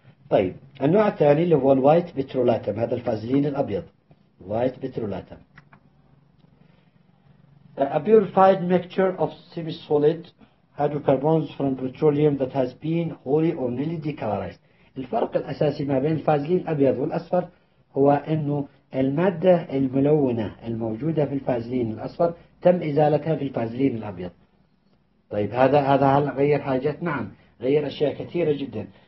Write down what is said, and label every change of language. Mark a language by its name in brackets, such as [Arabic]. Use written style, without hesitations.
[Arabic] طيب النوع الثاني اللي هو الوايت بترولاتم، هذا الفازلين الابيض وايت بترولاتم. [English] A purified mixture of semi-solid hydrocarbons from petroleum that has been wholly or nearly decolorized. [Arabic] الفرق الأساسي ما بين الفازلين الأبيض والأصفر هو أنه المادة الملونة الموجودة في الفازلين الأصفر تم إزالتها في الفازلين الأبيض. طيب هذا هل غير حاجات؟ نعم، غير أشياء كثيرة جدا.